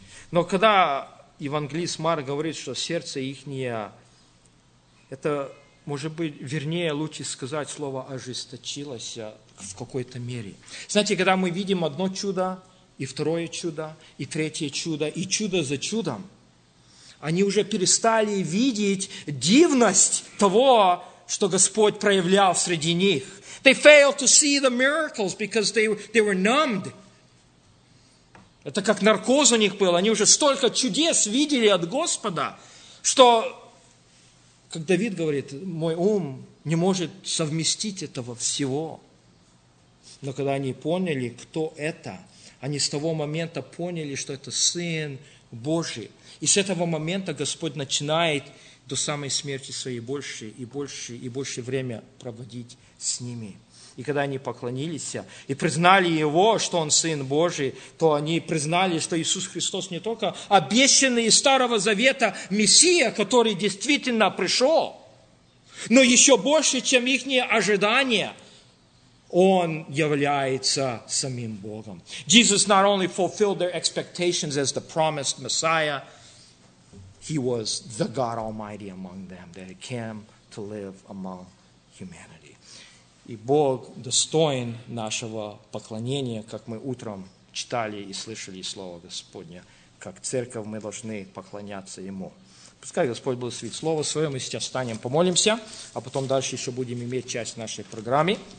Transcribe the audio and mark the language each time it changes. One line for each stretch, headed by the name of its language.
Russian: Но когда евангелист Марк говорит, что сердце ихнее, это, может быть, вернее, лучше сказать, слово «ожесточилось» в какой-то мере. Знаете, когда мы видим одно чудо, и второе чудо, и третье чудо, и чудо за чудом, они уже перестали видеть дивность того, что Господь проявлял среди них.
English: They failed to see the miracles because they were numbed.
Russian: Это как наркоз у них был. Они уже столько чудес видели от Господа, что, как Давид говорит, мой ум не может совместить этого всего. Но когда они поняли, кто это, они с того момента поняли, что это Сын Божий. И с этого момента Господь начинает до самой смерти своей больше и больше и больше время проводить с ними. И когда они поклонились и признали Его, что Он Сын Божий, то они признали, что Иисус Христос не только обещанный из Старого Завета Мессия, который действительно пришел, но еще больше, чем их ожидания, Он является самим Богом.
English: Jesus not only fulfilled their expectations as the promised Messiah, He was the God Almighty among them that came to live among humanity.
Russian: И Бог достоин нашего поклонения, как мы утром читали и слышали Слово Господне. Как церковь мы должны поклоняться Ему. Пускай Господь благословит Слово Свое, мы сейчас встанем, помолимся, а потом дальше еще будем иметь часть нашей программы.